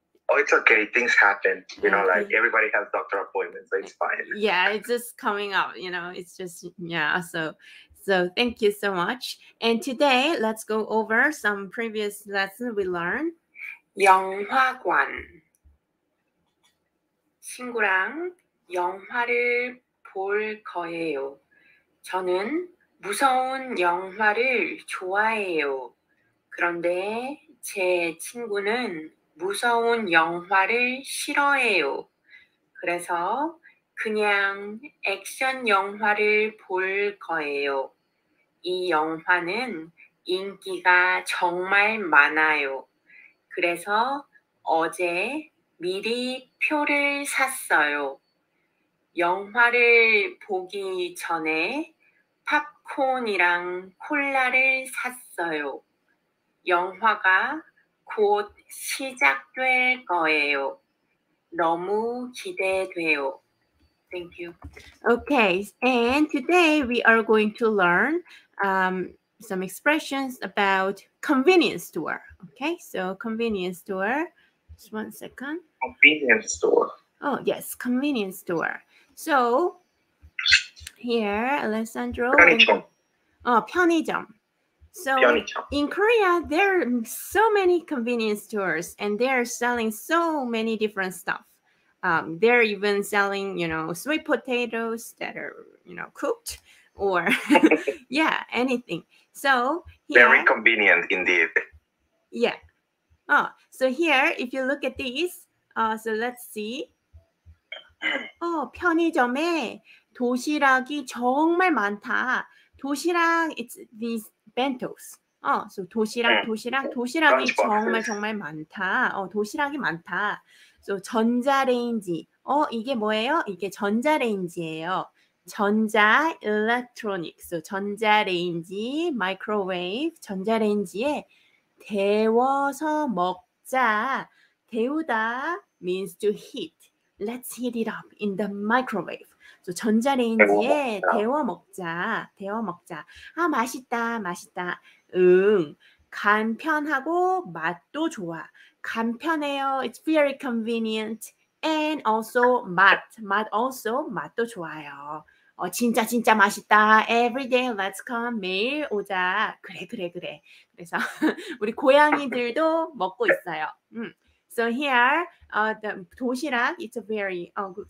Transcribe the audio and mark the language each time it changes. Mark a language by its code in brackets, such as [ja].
[en] Oh, it's okay. Things happen. You know, like Okay. everybody has doctor appointments, so it's fine. Yeah, it's just coming up, it's just yeah, so thank you so much. And today let's go over some previous lesson we learned. [ko] 영화관. 친구랑 영화를 볼 거예요. 저는 무서운 영화를 좋아해요. 그런데 제 친구는 무서운 영화를 싫어해요. 그래서 그냥 액션 영화를 볼 거예요. 이 영화는 인기가 정말 많아요. 그래서 어제 미리 표를 샀어요. 영화를 보기 전에 팝콘이랑 콜라를 샀어요. 영화가 곧 시작될 거예요. 너무 기대돼요. [en] Thank you. Okay, and today we are going to learn some expressions about convenience store. Okay, so convenience store. Just one second. Convenience store. Oh, yes, convenience store. So here, Alessandro and [ko] 편의점. 편의점. [en] So in Korea, there are so many convenience stores and they are selling so many different stuff. They're even selling, sweet potatoes that are, cooked or yeah, anything. So Very here, convenient indeed. yeah. Oh, so here, if you look at these, so let's see. [ko] Oh, 편의점에 도시락이 정말 많다. [en] 도시락, it's these bentos. [ko] So 도시락, 도시락, 도시락이 [en] Lunch [ko] 정말 [en] boxes. [ko] 정말 많다. 도시락이 많다. So 전자레인지. 이게 뭐예요? 이게 전자레인지예요. 전자 electronics. So 전자레인지, microwave, 전자레인지에 데워서 먹자. [en] 데우다 means to heat. Let's heat it up in the microwave. [ko] 전자레인지에 데워 먹자, 데워 먹자. 아, 맛있다, 맛있다. 응, 간편하고 맛도 좋아. 간편해요. [en] It's very convenient. And also 맛, 맛 also [ko] 맛도 좋아요. 진짜 진짜 맛있다. [en] Every day, let's come. [ko] 매일 오자. 그래. 그래서 우리 고양이들도 먹고 있어요. [en] So here, the 도시락, it's a very good.